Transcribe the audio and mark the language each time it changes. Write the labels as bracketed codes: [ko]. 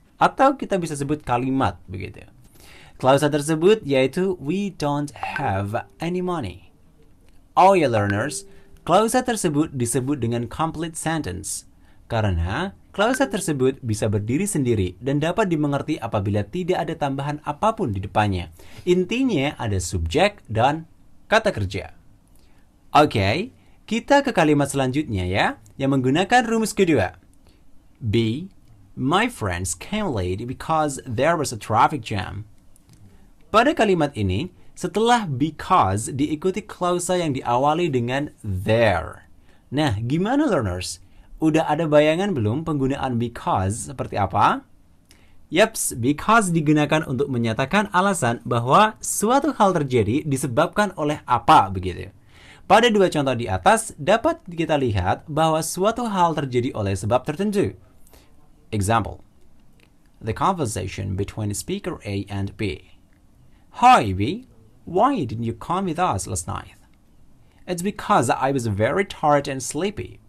[id] Atau kita bisa sebut kalimat begitu. Klausa tersebut yaitu [en] we don't have any money. [id] Oh ya learners, klausa tersebut disebut dengan complete sentence. Karena klausa tersebut bisa berdiri sendiri dan dapat dimengerti apabila tidak ada tambahan apapun di depannya. Intinya ada subjek dan kata kerja. Okay, kita ke kalimat selanjutnya ya, yang menggunakan rumus kedua. [en] B, my friends came late because there was a traffic jam. [id] Pada kalimat ini, setelah because diikuti klausa yang diawali dengan there. Nah, gimana learners? Udah ada bayangan belum penggunaan because seperti apa? Yaps, because digunakan untuk menyatakan alasan bahwa suatu hal terjadi disebabkan oleh apa begitu. Pada dua contoh di atas, dapat kita lihat bahwa suatu hal terjadi oleh sebab tertentu. [en] Example, the conversation between speaker A and B. Hi B, why didn't you come with us last night? It's because I was very tired and sleepy.